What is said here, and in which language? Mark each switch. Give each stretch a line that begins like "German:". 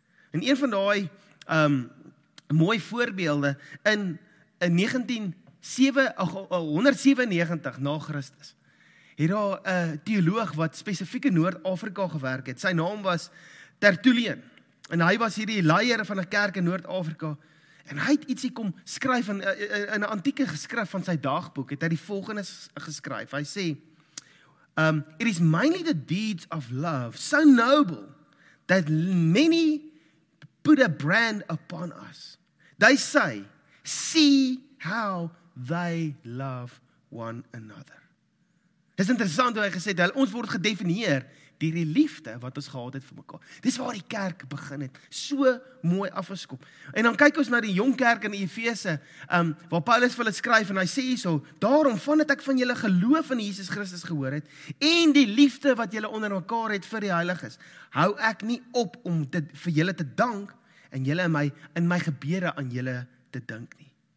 Afrikaans: En een van daai mooi voorbeelde in 197 na Christus, het daar 'n teoloog wat spesifiek in Noord-Afrika gewerk het. Sy naam was Tertullian. En hy was hierdie leier van 'n kerk in Noord-Afrika. En hy het ietsie kom skryf in 'n antieke geskrif van sy dagboek, het hy die volgende geskryf. Hy sê,
English: it is mainly the deeds of love, so noble, that many put a brand upon us. They say, see how they love one another.
Afrikaans: Dis interessant hoe hy gesê het, ons word gedefinieer deur die liefde wat ons gehad het vir mekaar. Dis waar die kerk begin het, so mooi afgeskop. En dan kyk ons na die jong kerk in Efese, waar Paulus vir hulle skryf en hy sê hierso, daarom vandat ek van julle geloof in Jesus Christus gehoor het en die liefde wat julle onder mekaar het vir die heiliges, hou ek nie op om vir julle te dank en julle in my gebede aan julle te dink nie.